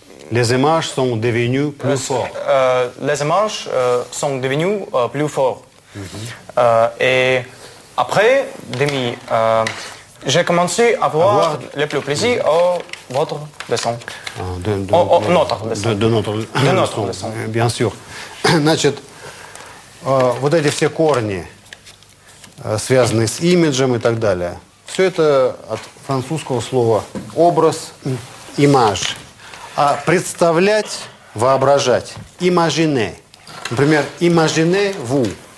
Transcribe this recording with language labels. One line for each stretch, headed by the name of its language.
French: Les images sont devenues plus fortes. Les images sont devenues plus fortes. Mm-hmm. Et après, demi, j'ai commencé à avoir le plus plaisir à votre leçon. De notre leçon. Bien sûr.
Russian: Значит, вот эти все корни, связанные с имиджем и так далее, все это от французского слова образ, image. А представлять, воображать, imagine. Например,
French: imagine vous.